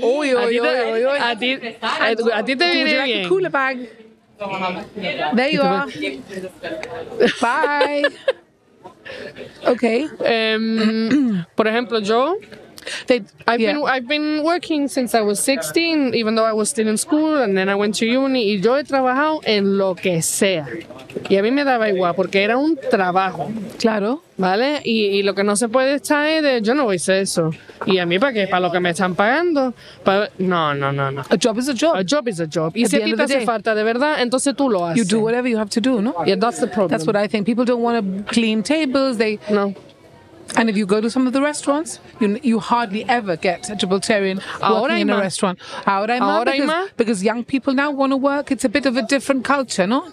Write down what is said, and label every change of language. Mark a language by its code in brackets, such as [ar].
[en] Would you like a cooler bag? There you are. Bye. Okay. [es] Por ejemplo, yo. [en] I've been working since I was 16, even though I was still in school, and then I went to uni. [es] Y yo he trabajado en lo que sea. Y a mí me daba igual porque era un trabajo. Claro. Vale. Y lo que no se puede estar es de, yo no voy a hacer eso. Y a mí para qué, para lo que me están pagando. No. [en] A job is a job. [es] Y si a ti te hace falta de verdad, entonces tú lo haces. [en] You do whatever you have to do, no? Yeah, that's the problem. That's what I think. People don't want to clean tables. They no. And if you go to some of the restaurants, you hardly ever get a Gibraltarian working in a restaurant. [es] Ahora hay más. [en] Because young people now want to work. It's a bit of a different culture, no?